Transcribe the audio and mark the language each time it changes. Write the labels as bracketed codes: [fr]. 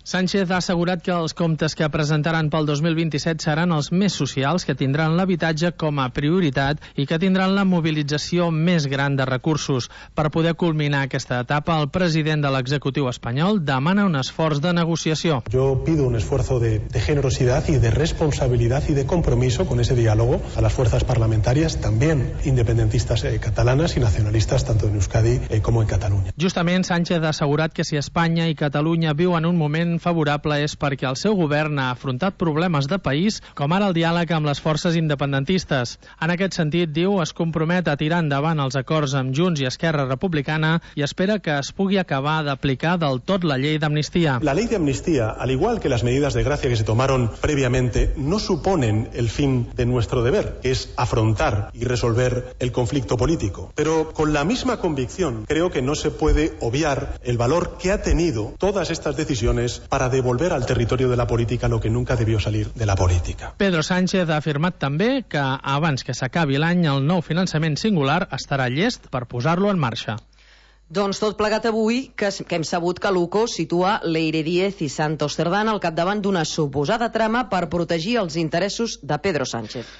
[ca] Sánchez ha assegurat que els comptes que presentaran pel 2027 seran els més socials, que tindran l'habitatge com a prioritat i que tindran la mobilització més gran de recursos. Per poder culminar aquesta etapa, el president de l'executiu espanyol demana un esforç de negociació. [es] Yo pido un esfuerzo de generosidad y de responsabilidad y de compromiso con ese diálogo a las fuerzas parlamentarias, también independentistas catalanas y nacionalistas, tanto en Euskadi como en Cataluña. [ca] Justament, Sánchez ha assegurat que si Espanya i Catalunya viu en un moment favorable és perquè el seu govern ha afrontat problemes de país, com ara el diàleg amb les forces independentistes. En aquest sentit, diu, es compromet a tirar endavant els acords amb Junts i Esquerra Republicana i espera que es pugui acabar d'aplicar del tot la llei d'amnistia. [es] La ley de amnistía, al igual que las medidas de gracia que se tomaron previamente, no suponen el fin de nuestro deber, que es afrontar y resolver el conflicto político. Pero con la misma convicción, creo que no se puede obviar el valor que ha tenido todas estas decisiones para devolver al territorio de la política lo que nunca debió salir de la política. [ca] Pedro Sánchez ha afirmat també que abans que s'acabi l'any el nou finançament singular estarà llest per posar-lo en marxa. Doncs tot plegat avui que hem sabut que l'UCO situa Leire Díez i Santos Cerdán al capdavant d'una suposada trama per protegir els interessos de Pedro Sánchez.